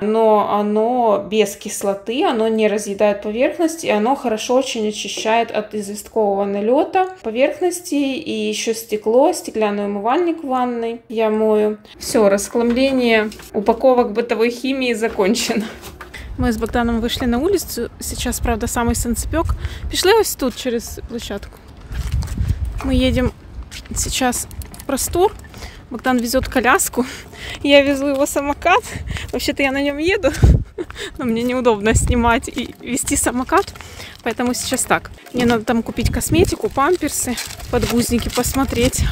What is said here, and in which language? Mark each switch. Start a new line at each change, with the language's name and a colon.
Russian: Но оно без кислоты. Оно не разъедает поверхность. И оно хорошо очень очищает от известкового налета поверхности. И еще стекло. Стеклянный умывальник в ванной я мою. Все, расхламление упаковок бытовой химии закончено. Мы с Богданом вышли на улицу. Сейчас, правда, самый санцепёк.
Ukrainian: Пішли ось тут, через площадку.
Russian: Мы едем сейчас в Простор. Богдан везет коляску. Я везу его самокат. Вообще-то я на нем еду. Но мне неудобно снимать и вести самокат. Поэтому сейчас так. Мне надо там купить косметику, памперсы, подгузники посмотреть.